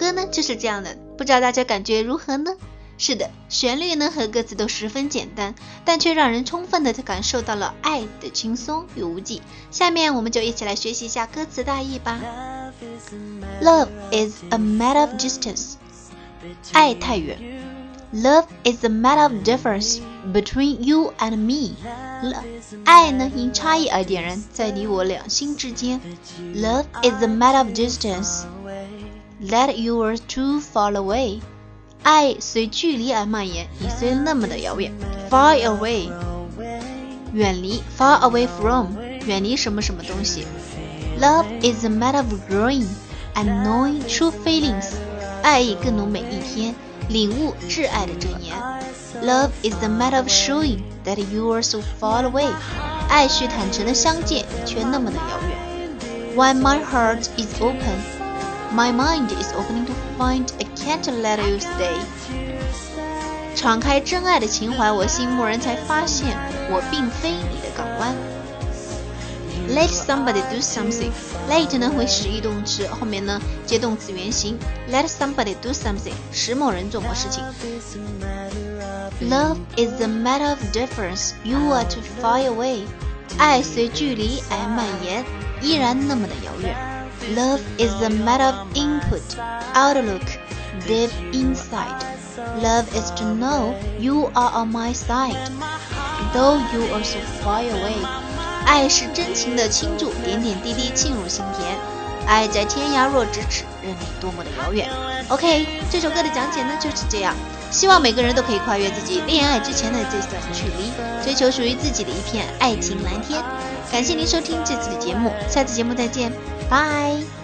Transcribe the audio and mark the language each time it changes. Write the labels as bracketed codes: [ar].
[zh] 就是这样的，不知道大家感觉如何呢？是的，旋律呢和歌词都十分简单，但却让人充分的感受到了爱的轻松与无忌。下面我们就一起来学习一下歌词大意吧。 [en] Love is a matter of distance， [zh] 爱太远。 [en] Love is a matter of difference between you and me， [zh] 爱呢因差异而点燃，在你我两心之间。 [en] Love is a matter of distanceThat you were too far away， [zh] 爱随距离而蔓延，你虽那么的遥远。 [en] Far away， [zh] 远离。 [en] Far away from， [zh] 远离什么什么东西。 [en] Love is a matter of growing and knowing true feelings， [zh] 爱意更浓每一天，领悟挚爱的真言。 [en] Love is a matter of showing that you were so far away， [zh] 爱需坦诚的相见，却那么的遥远。 [en] When my heart is openMy mind is opening to find I can't let you stay. [zh] 敞开真爱的情怀，我心蓦然才发现我并非你的港湾。 [en] Let somebody do something. Let [zh] 呢会使役动词，后面呢接动词原形。 [en] Let somebody do something， [zh] 使某人做某事情。 [en] Love is a matter of difference. You are too far away. [zh] 爱随距离而蔓延，依然那么的遥远。 [en] Love is a matter of input, outlook, deep insight. Love is to know you are on my side, though you are so far away. [zh] 爱是真情的倾注，点点滴滴沁入心田。爱在天涯若咫尺，任你多么的遥远。OK， 这首歌的讲解呢就是这样，希望每个人都可以跨越自己恋爱之前的这段距离，追求属于自己的一片爱情蓝天。感谢您收听这次的节目，下次节目再见，拜。